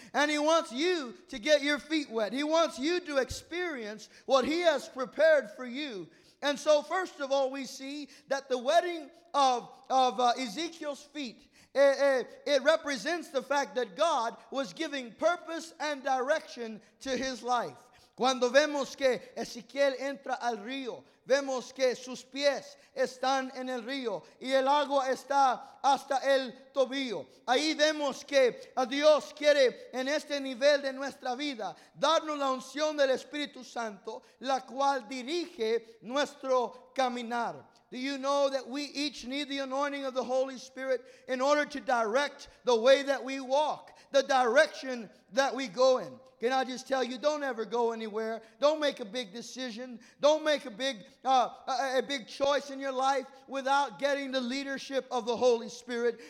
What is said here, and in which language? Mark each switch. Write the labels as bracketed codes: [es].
[en] And he wants you to get your feet wet. He wants you to experience what he has prepared for you. And so, first of all, we see that the wetting of Ezekiel's feet, it represents the fact that God was giving purpose and direction to his life. [es] Cuando vemos que Ezequiel entra al río, vemos que sus pies están en el río y el agua está hasta el tobillo. Ahí vemos que Dios quiere en este nivel de nuestra vida darnos la unción del Espíritu Santo, la cual dirige nuestro caminar. [en] Do you know that we each need the anointing of the Holy Spirit in order to direct the way that we walk, the direction that we go in? Can I just tell you, don't ever go anywhere. Don't make a big decision. Don't make a big choice in your life without getting the leadership of the Holy Spirit.